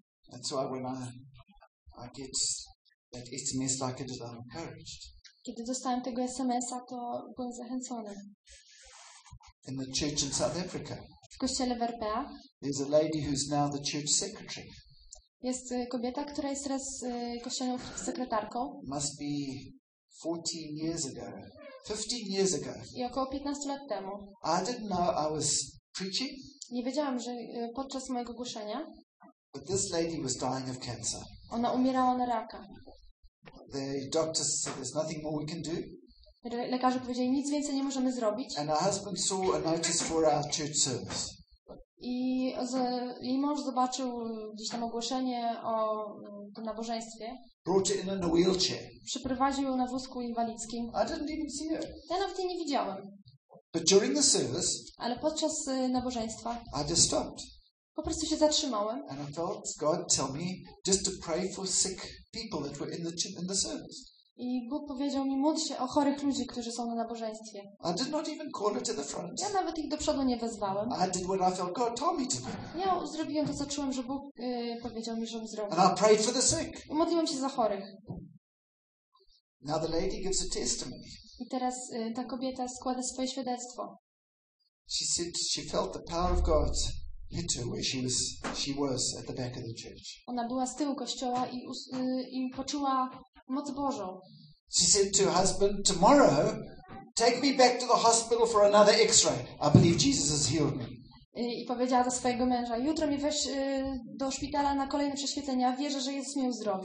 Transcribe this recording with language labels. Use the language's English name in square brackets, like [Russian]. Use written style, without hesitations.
[English] That's why when I get that SMS like it, I'm encouraged. [Polish] Kiedy dostałem tego SMS-a, to byłem zachęcony. [English] In the church in South Africa. [Polish] W kościele w RPA. [English] There's a lady who's now the church secretary. [Polish] Jest kobieta, która jest teraz kościelną sekretarką. [English] Must be 15 years ago. [Polish] I około 15 lat temu. [English] I didn't know I was preaching. [Polish] Nie wiedziałam, że podczas mojego głoszenia. [English] But this lady was dying of cancer. [Polish] Ona umierała na raka. [English] The doctors said there's nothing more we can do. [Polish] Lekarze powiedzieli, nic więcej nie możemy zrobić. [English] And her husband saw a notice for our church service. [Polish] I jej mąż zobaczył gdzieś tam ogłoszenie o tym nabożeństwie. [English] Brought her in a wheelchair. [Polish] Przyprowadził ją na wózku inwalidzkim. [English] I didn't even see her. [Polish] Ja nawet jej nie widziałem. [English] But during the service, [Polish] ale podczas nabożeństwa [English] I just stopped. [Polish] Po prostu się zatrzymałem. [English] And I felt God tell me just to pray for sick people that were in the service. [Polish] I Bóg powiedział mi, módl się o chorych ludzi, którzy są na nabożeństwie. [English] I did not even call it to the front. [Polish] Ja nawet ich do przodu nie wezwałem. [English] I did what I felt God told me to do. [Polish] Ja zrobiłem to, co czułem, że Bóg powiedział mi, żebym zrobił. [English] And I prayed for the sick. [Polish] I modliłem się za chorych. [English] Now the lady gives a testimony. [Polish] I teraz ta kobieta składa swoje świadectwo. [English] She said she felt the power of God hit her where she was at the back of the church. [Polish] Ona była z tyłu kościoła i poczuła moc Bożą. [English] She said to her husband, "Tomorrow, take me back to the hospital for another X-ray. I believe Jesus has healed me." [Polish] I powiedziała do swojego męża, "Jutro mnie weź do szpitala na kolejne prześwietlenie. Wierzę, że Jezus mnie uzdrowił."